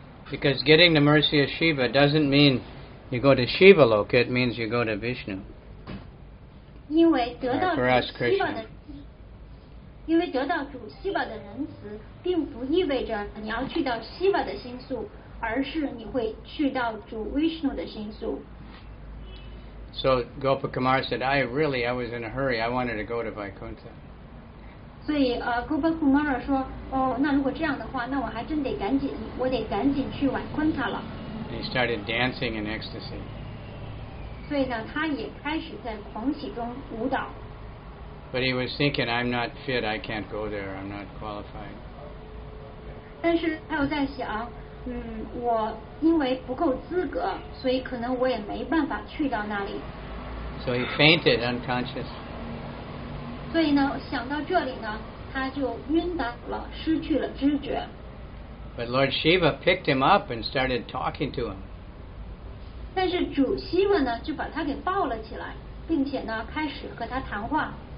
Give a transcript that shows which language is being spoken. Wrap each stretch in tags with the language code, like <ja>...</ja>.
<en>Because getting the mercy of Shiva doesn't mean you go to Shiva Loka, it means you go to Vishnu.</en> <zh>因为得到主希瓦的，因为得到主希瓦的仁慈，并不意味着你要去到希瓦的星宿，而是你会去到主 Vishnu 的星宿。</zh> <en>So Gopakumar said, I was in a hurry. I wanted to go to Vaikuntha.</en> <zh>所以Gopakumar说，哦，那如果这样的话，那我还真得赶紧，我得赶紧去Vaikuntha了。</zh> <en>He started dancing in ecstasy.</en> <zh>所以呢，他也开始在狂喜中舞蹈。</zh> <en>But he was thinking, I'm not fit. I can't go there. I'm not qualified.</en> <zh>但是他又在想。我因为不够资格，所以可能我也没办法去到那里。</zh> <en>So he fainted unconscious.</en> <zh>所以呢，想到这里呢，他就晕倒了，失去了知觉。</zh> <en>But Lord Shiva picked him up and started talking to him.</en> <zh>但是主希瓦呢，就把他给抱了起来，并且呢，开始和他谈话。</zh>